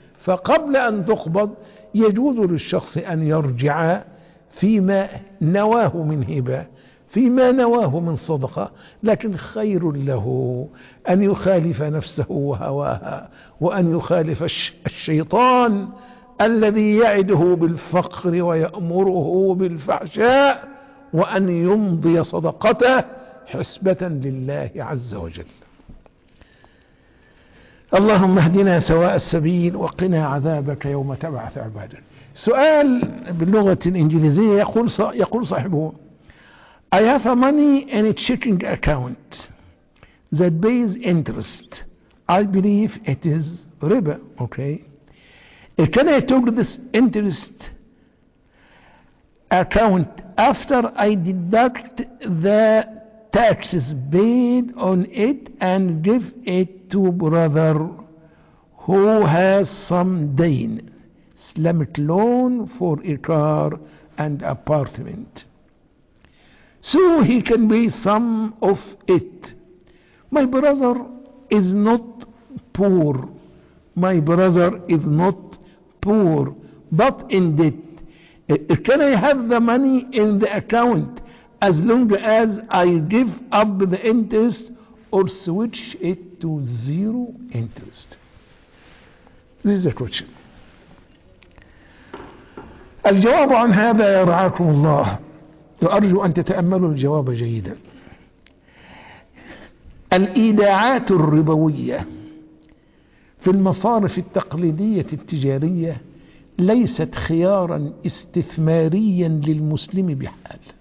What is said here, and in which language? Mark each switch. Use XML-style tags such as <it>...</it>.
<ar>فقبل أن تقبض يجوز للشخص أن يرجع فيما نواه من هبة، فيما نواه من صدقة، لكن خير له أن يخالف نفسه وهواها، وأن يخالف الشيطان الذي يعده بالفقر ويأمره بالفحشاء، وأن يمضي صدقته حسبة لله عز وجل. اللهم اهدنا سواء السبيل وقنا عذابك يوم تبعث عبادك. سؤال باللغة الإنجليزية يقول صاحبه:</ar> <en>I have a money in a checking account that pays interest. I believe it is riba. Okay. Can I take this interest account after I deduct the taxes paid on it and give it to brother who has some deen, Islamic loan for a car and apartment, so he can pay some of it? My brother is not poor. My brother is not poor, but in debt. Can I have the money in the account as long as I give up the interest or switch it to zero interest? This is the question.</en> <ar>الجواب عن هذا يا رعاكم الله، وأرجو أن تتأملوا الجواب جيدا. الإيداعات الربوية في المصارف التقليدية التجارية ليست خيارا استثماريا للمسلم بحال.</ar>